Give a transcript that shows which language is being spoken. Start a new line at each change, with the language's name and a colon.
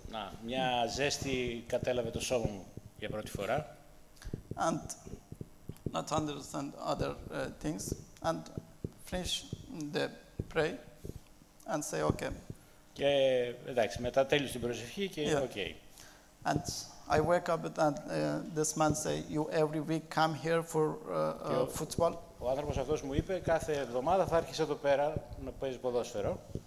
Greek: Να, μια ζέστη κατέλαβε το σώμα μου για πρώτη φορά.
English: And not understand other things and finish the pray and say okay.
Greek: Και εντάξει, μετά τέλειωσε την προσευχή και okay.
English: And I wake up and this man say, you every week come here for football.
Greek: Ο άνθρωπος αυτός μου είπε, κάθε εβδομάδα θα έρχεσαι εδώ πέρα να παίζεις ποδόσφαιρο.